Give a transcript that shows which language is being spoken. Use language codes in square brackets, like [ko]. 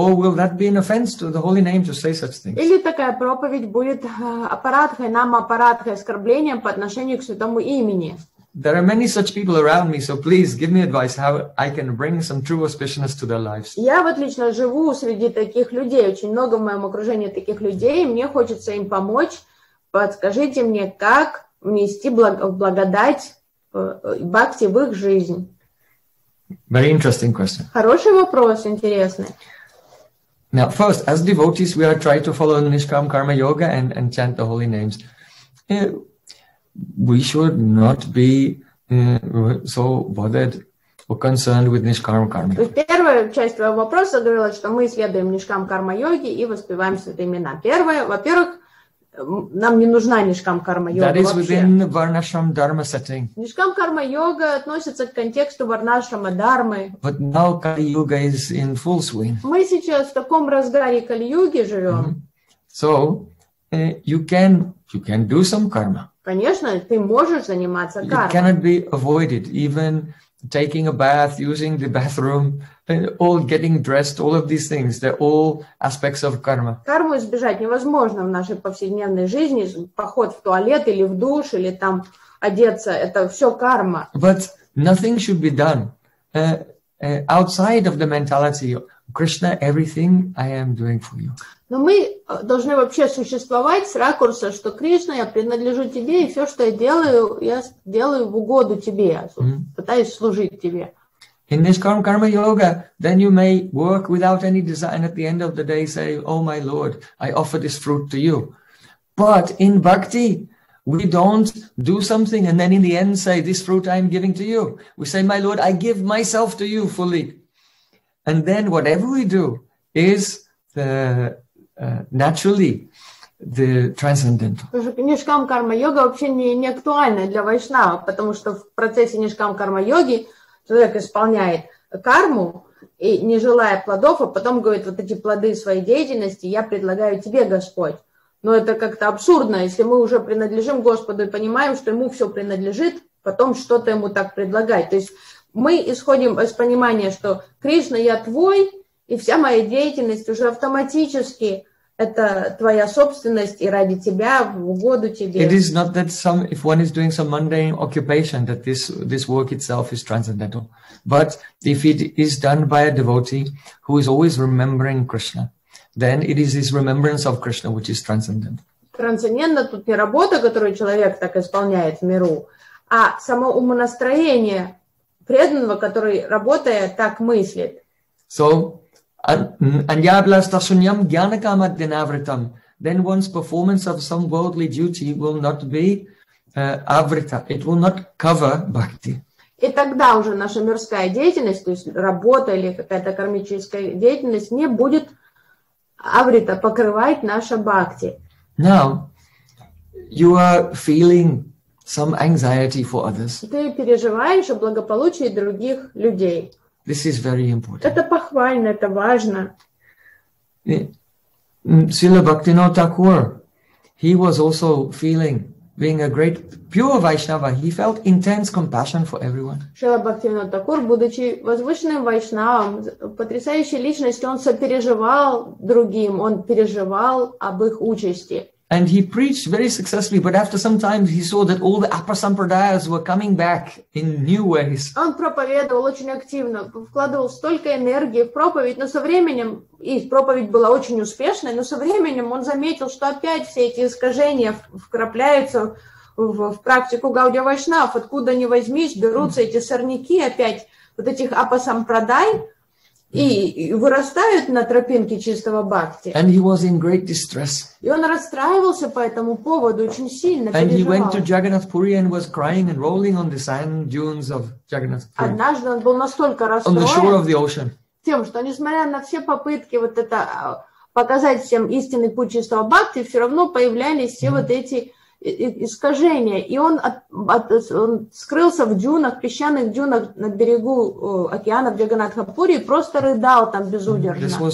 [en] Or will that be an offense to the holy name to say such things? [ru] Или такая проповедь будет аппаратхой, нам аппаратхой, оскорблением по отношению к святому имени. [en] There are many such people around me, so please give me advice how I can bring some true auspiciousness to their lives. [ru] Я вот лично живу среди таких людей, очень много в моем окружении таких людей, и мне хочется им помочь. Подскажите мне, как внести благодать бхакти в их жизнь? [en] Very interesting question. [ru] Хороший вопрос, интересный. [en] Now, first, as devotees, we are trying to follow Nishkam Karma Yoga and chant the holy names. We should not be so bothered or concerned with Nishkam Karma. [ru] Первая часть твоего вопроса говорила, что мы следуем Нишкам Карма Йоги и воспеваем святые имена. Первое, во-первых, нам не нужна Нишкам Карма Йога вообще. [en] That is within the Варнашрам Дарма setting. [ru] Нишкам Карма Йога относится к контексту Варнашрама Дармы. [en] But now Kali Yuga is in full swing. [ru] Мы сейчас в таком разгаре Кали Юги живем. [en] So you can do some karma. [ru] Конечно, ты можешь заниматься кармой. [en] It cannot be avoided, even taking a bath, using the bathroom, all getting dressed, all of these things, they're all aspects of karma. [ru] Карму избежать невозможно в нашей повседневной жизни, поход в туалет или в душ, или там одеться, это все карма. [en] But nothing should be done outside of the mentality, Krishna, everything I am doing for you. [ru] Но мы должны вообще существовать с ракурса, что Кришна, я принадлежу тебе, и все, что я делаю в угоду тебе, пытаюсь служить тебе. [en] In this karma yoga, then you may work without any desire, and at the end of the day say, oh my lord, I offer this fruit to you. But in bhakti, we don't do something, and then in the end say, this fruit I am giving to you. We say, my lord, I give myself to you fully. And then whatever we do is naturally, the transcendental. [ru] Потому что Нишкам Карма Йога вообще не актуальна для вайшнава, потому что в процессе Нишкам Карма Йоги человек исполняет карму, и не желая плодов, а потом говорит, вот эти плоды своей деятельности я предлагаю тебе, Господь. Но это как-то абсурдно, если мы уже принадлежим Господу и понимаем, что ему все принадлежит, потом что-то ему так предлагать. То есть мы исходим из понимания, что Кришна, я твой, и вся моя деятельность уже автоматически это твоя собственность и ради тебя, в угоду тебе. [en] It is not that some, if one is doing some mundane occupation, that this work itself is transcendental. But if it is done by a devotee who is always remembering Krishna, then it is his remembrance of Krishna which is transcendent. [ru] Трансцендентно тут не работа, которую человек так исполняет в миру, а само умонастроение преданного, который, работая, так мыслит. [en] So, [sa] Anyablastasunyam Gyanakamad Dinavritam, [en] then one's performance of some worldly duty will not be avrita, it will not cover bhakti. [ru] И тогда уже наша мирская деятельность, то есть работа или какая-то кармическая деятельность, не будет Аврита покрывает наша бхакти. [en] Now, you are feeling some anxiety for others. [ru] Ты переживаешь о благополучии других людей. [en] This is very important. [ru] Это похвально, это важно. [en] Сила Бхактинода Такур, he was also feeling, being a great pure Vaishnava, he felt intense compassion for everyone. [ru] Шрила Бхактинода Такур, будучи возвышенным вайшнавом, потрясающей личностью, он сопереживал другим, он переживал об их участи. [en] And he preached very successfully, but after some time he saw that all the upper sampradayas were coming back in new ways. [ru] Он проповедовал очень активно, вкладывал столько энергии в проповедь, но со временем, и проповедь была очень успешной, но со временем он заметил, что опять все эти искажения вкрапляются в практику Гаудия Вайшнав, откуда ни возьмись, берутся эти сорняки опять, вот этих апа сампрадай, и вырастают на тропинке чистого бхакти. [en] And he was in great distress. [ru] И он расстраивался по этому поводу очень сильно, [en] and [ru] переживал. [en] He went to Jagannath Puri and was crying and rolling on the sand dunes of Jagannath Puri. [ru] Однажды он был настолько расстроен. [en] On the shore of the ocean. [ru] Тем, что несмотря на все попытки вот это показать всем истинный путь чистого бхакти, все равно появлялись все вот эти искажения. И он скрылся в дюнах, песчаных дюнах на берегу океана в Джаганатхапуре и просто рыдал там безудержно.